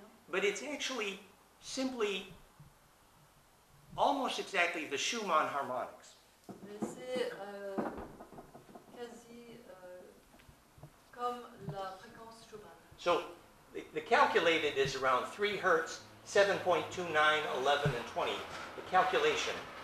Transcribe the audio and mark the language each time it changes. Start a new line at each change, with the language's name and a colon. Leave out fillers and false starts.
English: But it's actually simply almost exactly the Schumann harmonics.
French: Mais c'est quasi comme la fréquence Schumann.
English: So, the calculated is around 3 hertz, 7.29, 11, and 20. The calculation.